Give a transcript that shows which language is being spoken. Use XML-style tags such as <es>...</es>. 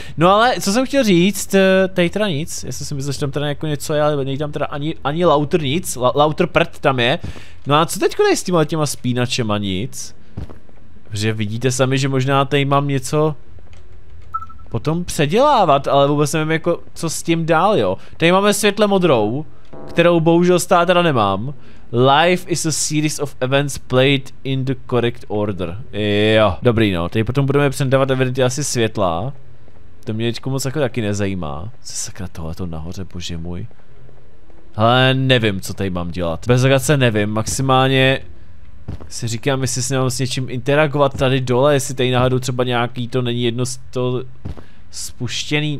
<cs>No ale, co jsem chtěl říct, tady teda nic, jestli si myslím, že tam teda jako něco je, ale není tam teda ani lauter nic, lauter prd tam je. No a co teďko tady s těma spínačema nic? Že vidíte sami, že možná tady mám něco potom předělávat, ale vůbec nevím jako, co s tím dál, jo. Tady máme světle modrou, kterou bohužel stát teda nemám.</cs> <en>Life is a series of events played in the correct order.</en> <cs>Jo, dobrý no, tady potom budeme předávat evidenty asi světla. To mě teďko moc jako taky nezajímá. Co sakra tohleto nahoře, bože můj. Hele, nevím, co tady mám dělat. Bez legrace nevím, maximálně si říkám, jestli si nemám s něčím interagovat tady dole, jestli tady náhodou třeba nějaký to není jedno z toho spuštěný.</cs>